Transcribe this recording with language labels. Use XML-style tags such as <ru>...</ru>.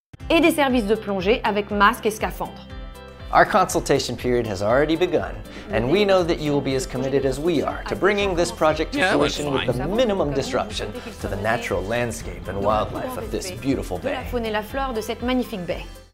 <fr>Et des services de plongée avec masque et scaphandre.</fr> <en>Our consultation period has already begun, and we know that you will be as committed as we are to bringing this project to fruition with the minimum disruption to the natural landscape and wildlife of this beautiful bay.</en> <fr>De la faune et la flore de cette magnifique baie.</fr>